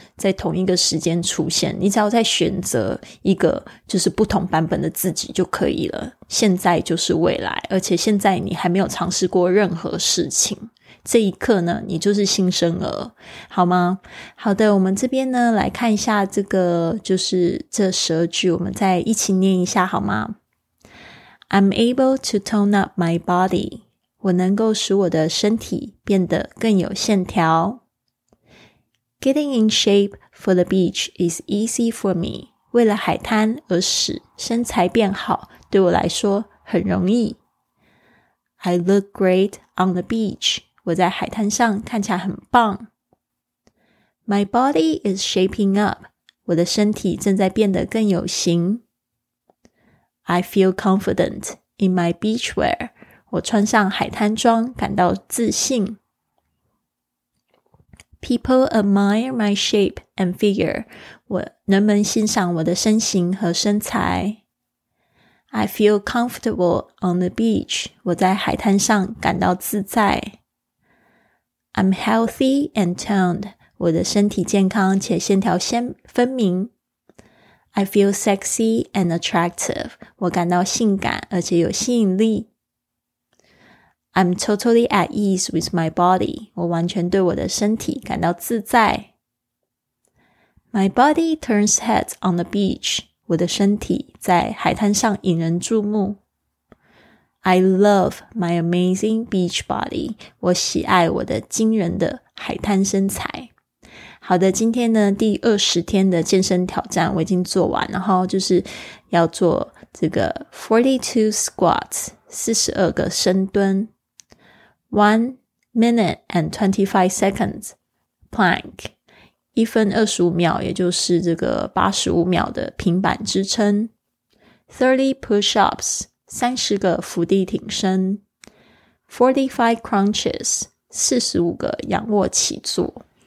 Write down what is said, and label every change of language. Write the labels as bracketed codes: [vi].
[zh] 在同一个时间出现，你只要再选择一个就是不同版本的自己就可以了，现在就是未来，而且现在你还没有尝试过任何事情，这一刻呢你就是新生儿，好吗？好的，我们这边呢来看一下这个就是这十句，我们再一起念一下好吗？ [en] I'm able to tone up my body， [zh] 我能够使我的身体变得更有线条。 [en] Getting in shape for the beach is easy for me， [zh] 为了海滩而使身材变好对我来说很容易。 [en] I look great on the beach， [zh] 我在海滩上看起来很棒。 [en] My body is shaping up， [zh] 我的身体正在变得更有型。 [en] I feel confident in my beach wear， [zh] 我穿上海滩装感到自信。 [en] People admire my shape and figure， [zh] 我人们欣赏我的身形和身材。 [en] I feel comfortable on the beach， [zh] 我在海滩上感到自在。 [en] I'm healthy and toned， [zh] 我的身体健康且线条分明。 [en] I feel sexy and attractive， [zh] 我感到性感而且有吸引力。 [en] I'm totally at ease with my body， [zh] 我完全对我的身体感到自在。 [en] My body turns heads on the beach， [zh] 我的身体在海滩上引人注目。 [en] I love my amazing beach body， [zh] 我喜爱我的惊人的海滩身材。好的，今天呢第20天的健身挑战我已经做完，然后就是要做这个42 squats 42个深蹲， [en] 1 minute and 25 seconds plank [zh] 1分25秒，也就是这个85秒的平板支撑， 30 push-ups 30个伏地挺身， 45 crunches 45个仰卧起坐。